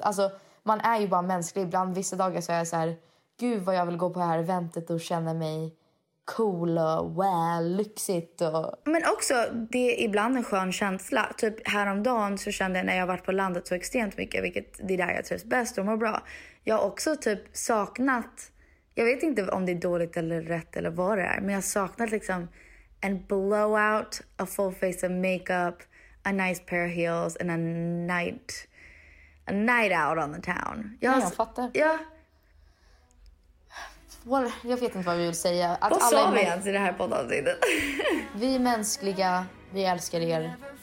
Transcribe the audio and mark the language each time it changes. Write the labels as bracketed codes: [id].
[sv] Alltså, man är ju bara mänsklig. Ibland vissa dagar så är jag så här, gud vad jag vill gå på det här eventet och känna mig cool och well, lyxigt. Och... Men också, det är ibland en skön känsla. Typ häromdagen så kände jag när jag har varit på landet så extremt mycket, vilket det är där jag trivs bäst och mår bra. Jag har också typ saknat, jag vet inte om det är dåligt eller rätt eller vad det är, men jag har saknat liksom... [en] And blow out a full face of makeup, a nice pair of heels, and a night out on the town. [sv] Jag fattar. Ja. Well, jag vet inte vad vi vill säga. Att vad alla sa vi ens i det här poddavsnittet? Vi är mänskliga, vi älskar er.